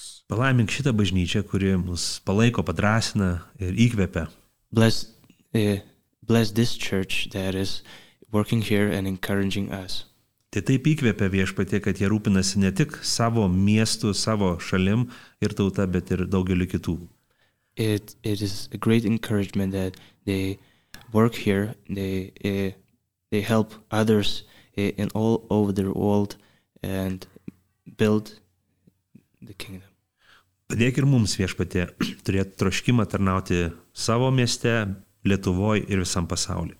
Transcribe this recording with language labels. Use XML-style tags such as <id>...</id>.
<lt>Palaimink šitą bažnyčią, kuri mus palaiko, padrasina ir įkvepia.</lt> <en>Bless this church that is working here and encouraging us.</en> <lt>Tai taip įkvėpia viešpatie, kad jie rūpinasi ne tik savo miestu, savo šalim ir tauta, bet ir daugeliu kitų.</lt> <en>It is a great encouragement that they work here, they help others in all over the world and build the kingdom.</en> <lt>Padėk ir mums viešpatie turėti troškimą tarnauti savo mieste, Lietuvoj ir visam pasaulyje.</lt>